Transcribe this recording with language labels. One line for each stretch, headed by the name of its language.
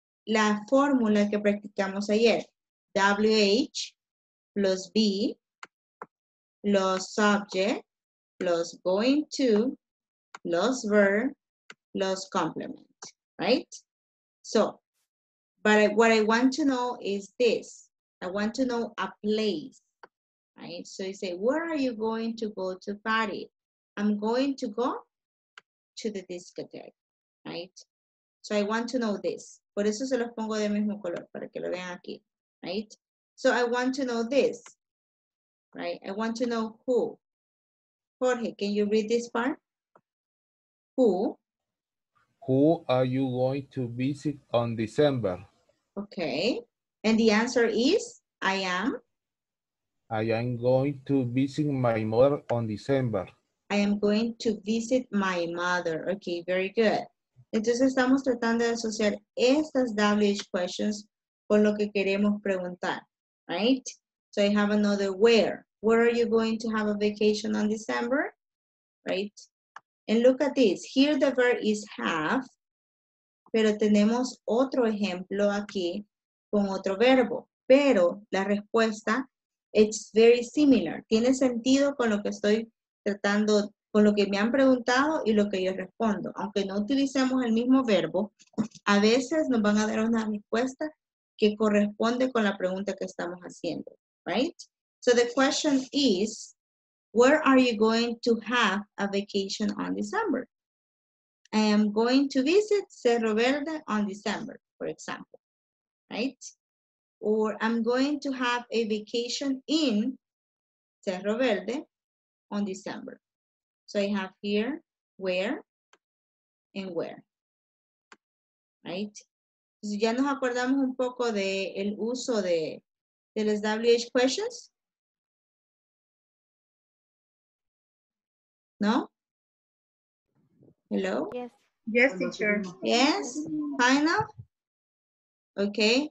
Spanish: la fórmula que practicamos ayer.
English: WH plus be plus subject plus going to plus verb plus complement, right? So, but what I want to know is this. I want to know a place, right? So you say, where are you going to go to party? I'm going to go to the discotheque, right? So I want to know this.
Spanish: Por eso se los pongo de mismo color, para que lo vean aquí, right?
English: So I want to know this, right? I want to know who. Jorge, can you read this part? Who? Who are you going to visit on December? Okay. And the answer is, I am? I am going to visit my mother on December. I am going to visit my mother. Okay, very good.
Spanish: Entonces estamos tratando de asociar estas WH questions con lo que queremos preguntar, right?
English: So I have another where. Where are you going to have a vacation on December, right? And look at this. Here the verb is have,
Spanish: pero tenemos otro ejemplo aquí con otro verbo. Pero la respuesta,
English: it's very similar.
Spanish: Tiene sentido con lo que estoy tratando, con lo que me han preguntado y lo que yo respondo. Aunque no utilicemos el mismo verbo, a veces nos van a dar una respuesta que corresponde con la pregunta que estamos haciendo, right?
English: So the question is, where are you going to have a vacation on December? I am going to visit Cerro Verde on December, for example, right? Or I'm going to have a vacation in Cerro Verde on December. So I have here where and where, right?
Spanish: Entonces ya nos acordamos un poco del uso de las WH questions.
English: No? Hello? Yes. Yes, teacher. Yes? Final? Okay.